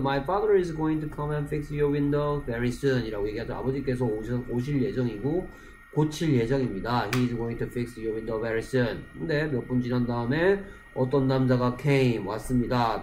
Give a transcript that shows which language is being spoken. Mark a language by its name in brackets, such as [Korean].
[English] My father is going to come and fix your window very soon [Korean] 이라고 얘기하죠. 아버지께서 오실 예정이고 고칠 예정입니다. [English] He is going to fix your window very soon. [Korean] 근데 몇 분 지난 다음에 어떤 남자가 came 왔습니다.